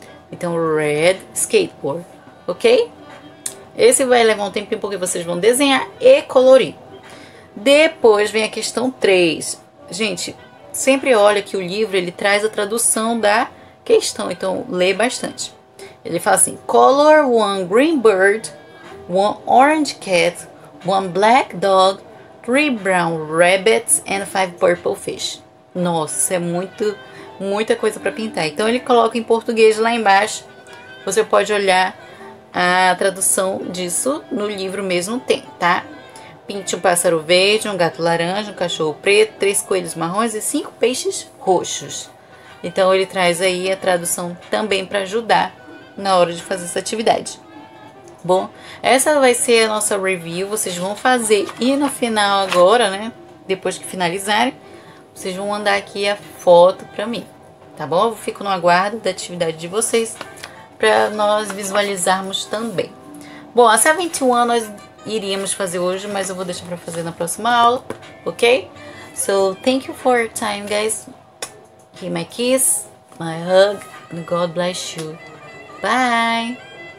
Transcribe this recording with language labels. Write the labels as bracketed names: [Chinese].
[Portuguese] Então [English] red skateboard. [Portuguese] Ok? Esse vai levar um tempinho porque vocês vão desenhar e colorir. Depois vem a questão 3. Gente, sempre olha que o livro ele traz a tradução da questão. Então, lê bastante. Ele fala assim, [English] color one green bird, one orange cat, one black dog, three brown rabbits and five purple fish. [Portuguese] Nossa, isso é muito, muita coisa para pintar. Então, ele coloca em português lá embaixo. Você pode olhar a tradução disso no livro mesmo tem, tá? Pinte um pássaro verde, um gato laranja, um cachorro preto, três coelhos marrons e cinco peixes roxos. Então ele traz aí a tradução também para ajudar na hora de fazer essa atividade. Bom, essa vai ser a nossa review. Vocês vão fazer e no final agora, né? Depois que finalizarem, vocês vão mandar aqui a foto para mim, tá bom? Eu fico no aguardo da atividade de vocês para nós visualizarmos também. Bom, a 71 nós iríamos fazer hoje, mas eu vou deixar para fazer na próxima aula, ok? [English] So, thank you for your time, guys. Give my kiss, my hug, and God bless you. Bye!